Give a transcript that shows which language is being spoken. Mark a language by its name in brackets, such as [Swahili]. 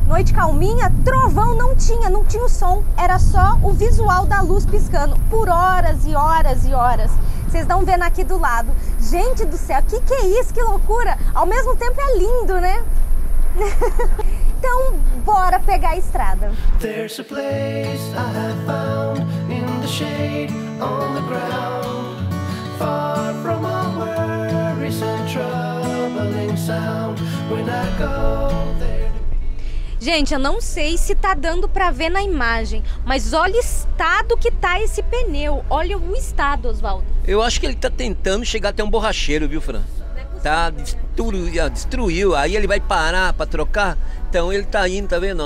[Portuguese] Noite calminha, trovão não tinha o som, era só o visual da luz piscando por horas e horas e horas. Vocês estão vendo aqui do lado. Gente do céu, que é isso? Que loucura! Ao mesmo tempo é lindo, né? Então, bora pegar a estrada. [English] There's a place I have found in the shade on the ground, far from all worries and troubling sound. [Portuguese] Gente, eu não sei se tá dando pra ver na imagem, mas olha o estado que tá esse pneu. Olha o estado, Oswaldo. Eu acho que ele tá tentando chegar até um borracheiro, viu, Fran? Tá, destruiu. Aí ele vai parar pra trocar. Então ele tá indo, tá vendo?